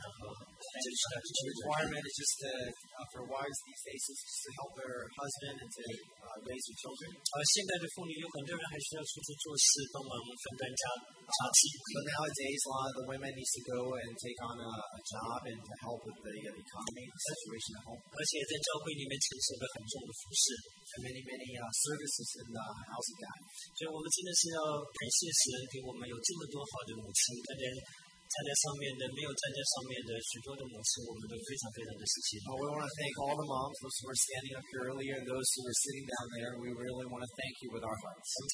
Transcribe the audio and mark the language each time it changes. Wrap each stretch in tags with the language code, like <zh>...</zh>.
<en>The requirement is just for wives these days is just to help their husband and to raise their children.</en> <zh>现在的妇女有很多人还需要出去做事，帮忙分担家务。</zh> <en>But nowadays, a lot of the women need to go and take on a job and to help with the economy situation at home.</en> <zh>而且在教会里面承受了很重的服侍。</zh> <en>And many services in the house of God.</en> <zh>所以我们真的是要感谢神，给我们有这么多好的母亲，感恩。站在上面的，没有站在上面的，许多的母亲，我们都非常非常的谢谢。</zh> <en>We want to thank all the moms, those who are standing up here earlier, and those who are sitting down there. We really want to thank you with our hearts.</en>